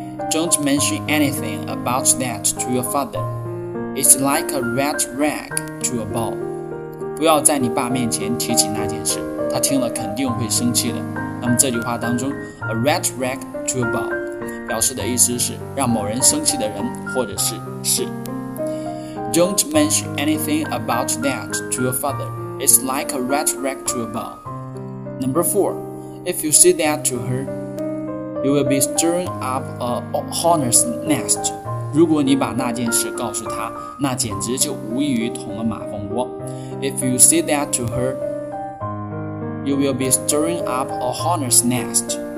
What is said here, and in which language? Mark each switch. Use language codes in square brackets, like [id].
[en] Don't mention anything about that to your father. It's like a red rag to a bull. [zh] 不要在你爸面前提起那件事，他听了肯定会生气的。那么这句话当中 [en] A red rag to a bull [zh] 表示的意思是让某人生气的人或者是事。 [en] Don't mention anything about that to your father. It's like a red rag to a bullNumber 4. If you say that to her, you will be stirring up a hornet's nest. [zh] 如果你把那件事告诉她，那简直就无异于捅了马蜂窝。 [en] If you say that to her, you will be stirring up a hornet's nest.